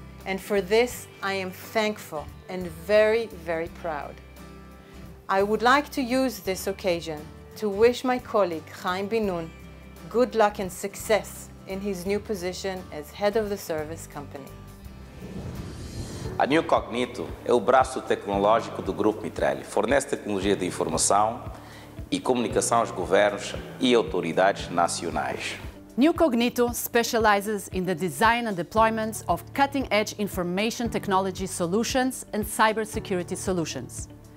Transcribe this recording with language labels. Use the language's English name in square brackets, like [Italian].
[English] And for this, I am thankful and very, very proud. I would like to use this occasion to wish my colleague Chaim Binun good luck and success in his new position as head of the service company. [Portuguese] A New Cognito é o braço tecnológico do Grupo Mitrelli. Fornece tecnologia de informação e comunicação aos governos e autoridades nacionais. [English] New Cognito specializes in the design and deployment of cutting-edge information technology solutions and cybersecurity solutions.